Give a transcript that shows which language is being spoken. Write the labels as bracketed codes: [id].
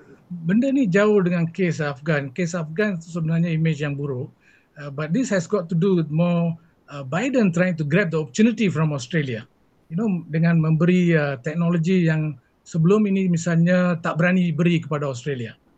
[ms] Benda ni jauh dengan kes Afghan. Kes Afghan sebenarnya image yang buruk. [en] But this has got to do with more Biden trying to grab the opportunity from Australia. You know, [ms] dengan memberi teknologi yang sebelum ini misalnya tak berani beri kepada Australia.